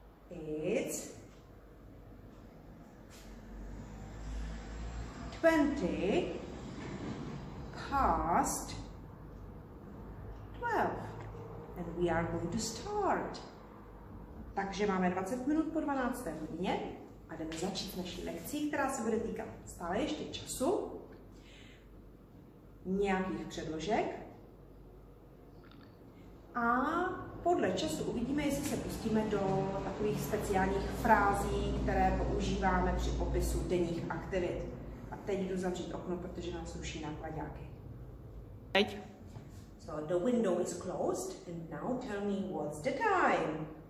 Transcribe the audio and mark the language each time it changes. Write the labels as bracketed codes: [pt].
[en] It's 20 past 12 and we are going to start. [cs] Takže máme 20 minut po 12. hodině a jdeme začít naší lekcí, která se bude týkat stále ještě času, nějakých předložek a podle času uvidíme, jestli se pustíme do takových speciálních frází, které používáme při popisu denních aktivit. A teď jdu zavřít okno, protože nám sluší náklaďáky. Teď. [en] So the window is closed and now tell me what's the time.